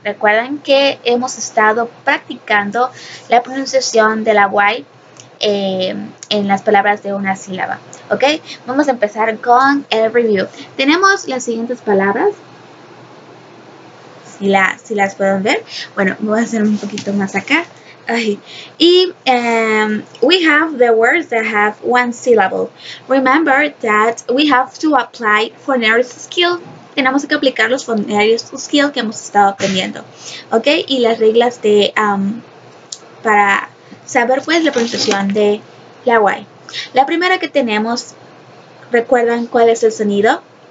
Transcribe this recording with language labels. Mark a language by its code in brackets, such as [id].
[es] Recuerden que hemos estado practicando la pronunciación de la Y en las palabras de una sílaba. ¿Ok? Vamos a empezar con el review. Tenemos las siguientes palabras. Si las pueden ver. Bueno, me voy a hacer un poquito más acá. Ay. [en] Y we have the words that have one syllable. Remember that we have to apply Foneri Skill. [es] Tenemos que aplicar los Foneri Skill que hemos estado aprendiendo. ¿Ok? Y las reglas de para saber pues la pronunciación de la Y. La primera que tenemos, ¿recuerdan cuál es el sonido?